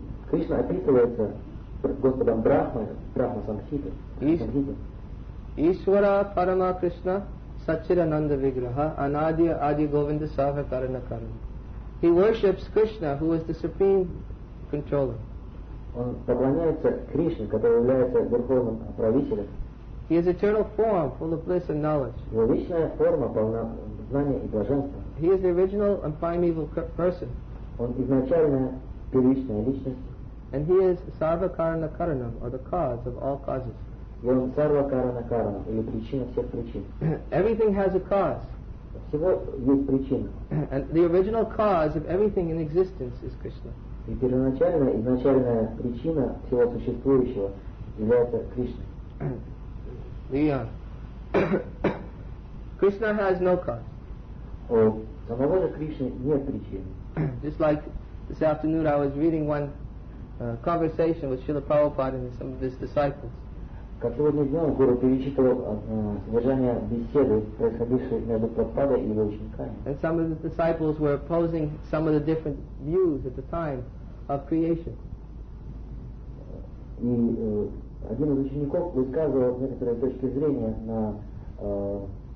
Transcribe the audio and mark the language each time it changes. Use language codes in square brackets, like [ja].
[ru] Кришна описывается Господом Брахмой, Брахма Самхита. [sa] Ишвара Парама Кришна Сачидананда Виграха Анадия Ади Говинда Сарва Карана Карана. [en] He worships Krishna, who is the supreme controller. [ru] Он поклоняется Кришне, который является верховным правителем. [en] He is eternal form, full of bliss and knowledge. [ru] Его вечная форма полна знания и блаженства. [en] He is the original and primeval person. [ru] Он изначальная первичная личность. [en] And he is [sa] sarva karana karanam, [en] or the cause of all causes. [ru] И он [sa] sarva karana karanam, [ru] или причина всех причин. [en] Everything has a cause. [ru] Всего есть причина. [en] And the original cause of everything in existence is Krishna. [ru] И первоначальная, изначальная причина всего существующего является Кришна. Leon. [en] Krishna has no cause. [ru] У самого же Кришны нет причины. [en] Just like this afternoon I was reading one conversation with Srila Prabhupada and some of his disciples. [ru] Как сегодня днем Гуру перечитывал содержание беседы, происходившей между Прабхупадой и его учениками. [en] And some of his disciples were opposing some of the different views at the time of creation. [ru] И один из учеников высказывал некоторые точки зрения на